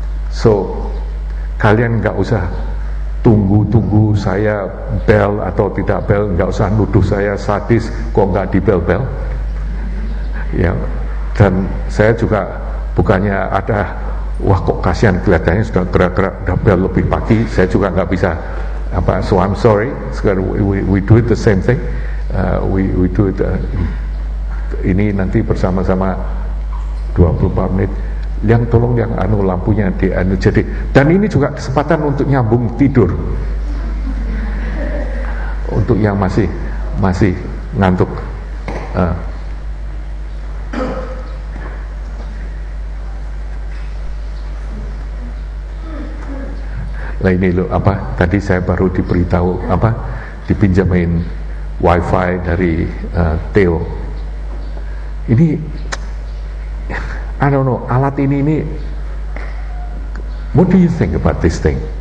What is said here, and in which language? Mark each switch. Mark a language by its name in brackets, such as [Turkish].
[Indonesian] So kalian enggak usah tunggu-tunggu saya bel atau tidak bel, enggak usah nuduh saya sadis kok enggak dibel-bel. Ya, dan saya juga bukannya ada, wah kok kasihan kelihatannya sudah gerak-gerak, sudah bel lebih pagi, saya juga enggak bisa. Apa, [English] so I'm sorry, we do it the same thing. We do it, [Indonesian] ini nanti bersama-sama 24 menit. Yang tolong yang anu lampunya di anu jadi, dan ini juga kesempatan untuk nyambung tidur untuk yang masih ngantuk. Nah ini lo apa tadi saya baru diberitahu apa dipinjamin wifi dari Theo. Ini [English] I don't know, [Indonesian] alat ini, [English] what do you think about this thing?